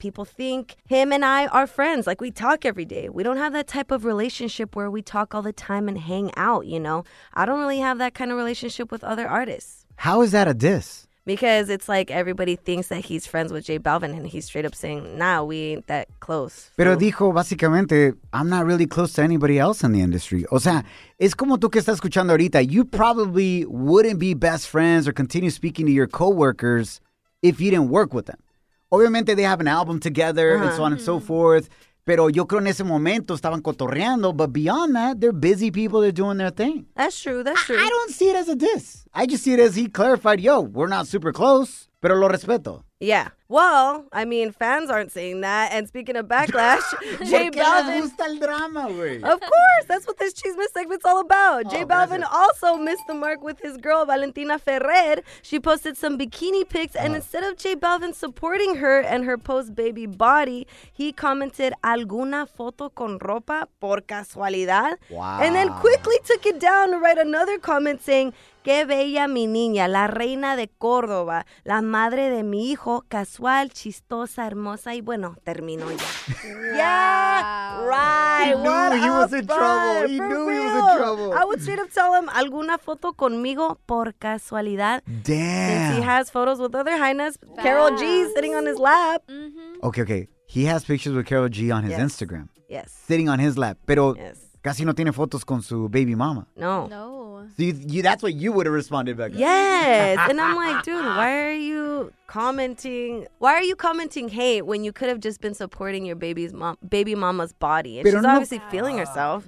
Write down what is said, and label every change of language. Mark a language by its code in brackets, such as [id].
[en] People think him and I are friends. Like, we talk every day. We don't have that type of relationship where we talk all the time and hang out, you know? I don't really have that kind of relationship with other artists. How is that a diss? Because it's like everybody thinks that he's friends with J Balvin, and he's straight up saying, nah, we ain't that close. [es] Pero dijo, básicamente, [en] I'm not really close to anybody else in the industry. [es] O sea, es como tú que estás escuchando ahorita. [en] You probably wouldn't be best friends or continue speaking to your coworkers if you didn't work with them. Obviamente, they have an album together, uh-huh, and so on and so forth. [es] Pero yo creo en ese momento estaban cotorreando. [en] But beyond that, they're busy people. They're doing their thing. That's true. I don't see it as a diss. I just see it as he clarified, yo, we're not super close, [es] pero lo respeto. [en] Yeah. Well, I mean, fans aren't saying that. And speaking of backlash, J Balvin. [es] ¿Por qué les gusta el drama, güey? [en] Of course. That's what this Chisme segment's all about. Oh, J Balvin also missed the mark with his girl, Valentina Ferrer. She posted some bikini pics. Oh. And instead of J Balvin supporting her and her post-baby body, he commented, [es] ¿alguna foto con ropa por casualidad? [en] Wow. And then quickly took it down to write another comment saying, [es] qué bella mi niña, la reina de Córdoba, la madre de mi hijo, casual, chistosa, hermosa, y bueno, termino ya. [en] Wow. Yeah, right. He knew what he was in trouble. He knew real. He was in trouble. I would straight up tell him, [es] alguna foto conmigo por casualidad. [en] Damn. Since he has photos with other highness, Karol G sitting on his lap. Mm-hmm. Okay. He has pictures with Karol G on his Instagram. Yes. Sitting on his lap. [es] Pero casi no tiene fotos con su baby mama. [en] No. No. So you, that's what you would have responded back. Yes. And I'm like, dude, why are you commenting hate when you could have just been supporting your baby mama's body? And [es] pero [en] she's no, obviously feeling herself.